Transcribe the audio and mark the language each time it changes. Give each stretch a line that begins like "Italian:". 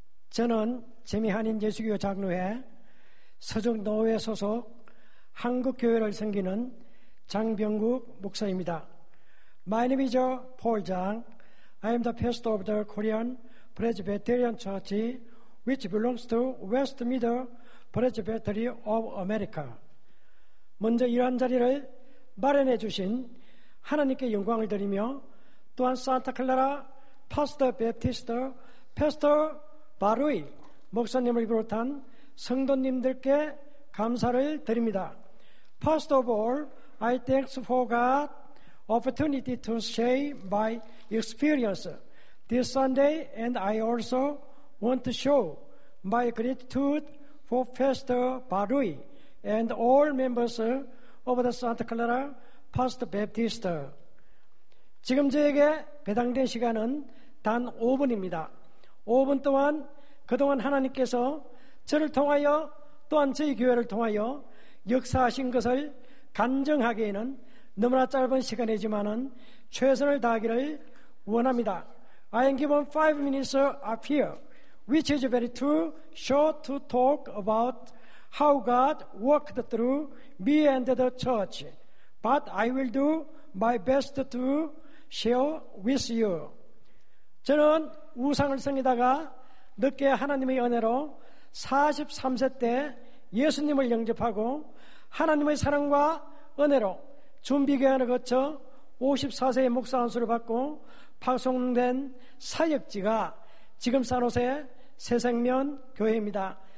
Korean: 저는 재미한인 예수교 장로회 서정 노회 소속 한국교회를 섬기는 장병국 목사입니다.
English: My name is Paul Jang. I am the pastor of the Korean Presbyterian Church, which belongs to West Middle Presbytery of America.
Korean: 먼저 이러한 자리를 마련해 주신 하나님께 영광을 드리며 또한 산타클라라 파스터 베티스터 패스터 바루이 목사님을 비롯한 성도님들께 감사를 드립니다.
English: First of all, I thanks for God opportunity to share my experience this Sunday, and I also want to show my gratitude for Pastor Barui and all members of the Santa Clara First Baptist.
Korean: 지금 저에게 배당된 시간은 단 5분입니다. 5분 동안 그동안 하나님께서 저를 통하여 또한 저희 교회를 통하여 역사하신 것을 간증하기에는 너무나 짧은 시간이지만은 최선을 다하기를 원합니다.
English: I am given 5 minutes up here, which is very too short to talk about how God worked through me and the church. But I will do my best to share with you.
Korean: 저는 우상을 섬기다가 늦게 하나님의 은혜로 43세 때 예수님을 영접하고 하나님의 사랑과 은혜로 준비기간을 거쳐 54세의 목사 안수를 받고 파송된 사역지가 지금 산호세 새생면 교회입니다.